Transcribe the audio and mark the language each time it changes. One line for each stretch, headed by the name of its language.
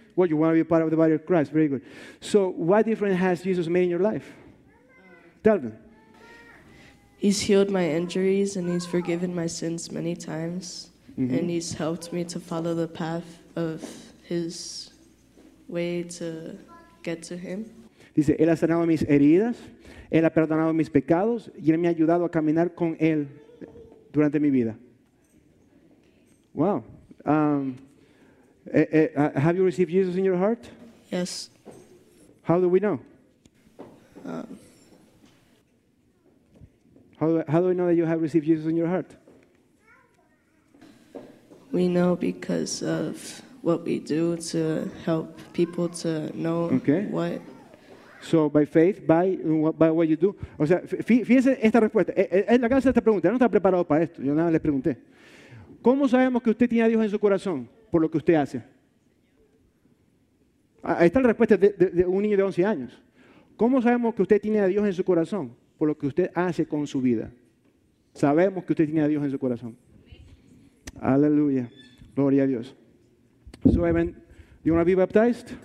English: Well, you want to be part of the body of Christ. Very good. So what difference has Jesus made in your life? Tell them. He's healed my injuries and he's forgiven my sins many times. Mm-hmm. And he's helped me to follow the path of his way to get to him.
Spanish: Dice, él ha sanado mis heridas, él ha perdonado mis pecados y él me ha ayudado a caminar con él durante mi vida.
English: Wow. Have you received Jesus in your heart? Yes. How do we know? How do we know that you have received Jesus in your heart? We know because of what we do to help people to know okay. What. So by faith, by what you do.
Spanish: O sea, fíjense esta respuesta. Es la clase de esta pregunta. Yo no estaba preparado para esto. Yo nada le pregunté. ¿Cómo sabemos que usted tiene a Dios en su corazón por lo que usted hace? Ahí está la respuesta de un niño de 11 años. ¿Cómo sabemos que usted tiene a Dios en su corazón por lo que usted hace con su vida? Sabemos que usted tiene a Dios en su corazón. Aleluya. Gloria a Dios.
English: So, Evan, do you want to be baptized?